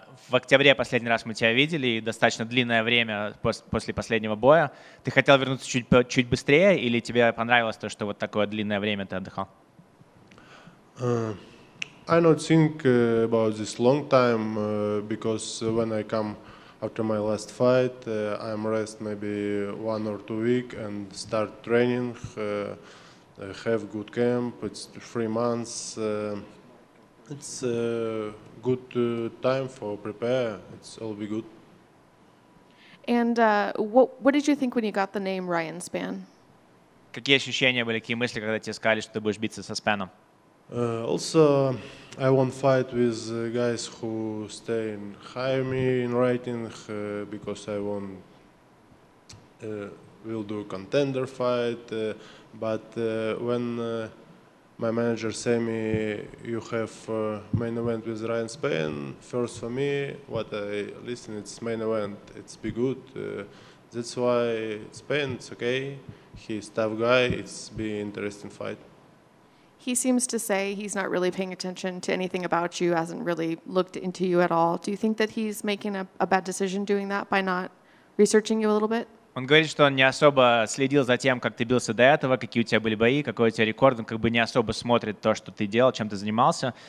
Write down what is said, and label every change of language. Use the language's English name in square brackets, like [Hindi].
[Russian] В октябре последний раз мы тебя видели, достаточно длинное время после последнего боя. Ты хотел вернуться чуть быстрее, или тебе понравилось то, что вот такое длинное время ты отдыхал? [English] I don't think about this long time, because when I come after my last fight, I'm rest maybe 1 or 2 weeks and start training, have good camp. It's 3 months. It's a good time for prepare. It's all be good. And what did you think when you got the name Ryan Spann? [Russian] Какие ощущения были, какие мысли, когда тебе сказали, что ты будешь биться со Спаном? [English] Also, I won't fight with guys who stay in higher me in rating because I won't will do a contender fight. But when my manager say me, you have main event with Ryan Spann, first for me, what I listen, it's main event, it's be good. That's why Spann, it's okay. He's a tough guy, it's be interesting fight. He seems to say he's not really paying attention to anything about you, hasn't really looked into you at all. Do you think that he's making a bad decision doing that by not researching you a little bit? [Russian] Он говорит, что он не особо следил за тем, как ты бился до этого, какие у тебя были бои, какой у тебя рекорд. Он как бы не особо смотрит то, что ты делал, чем ты занимался.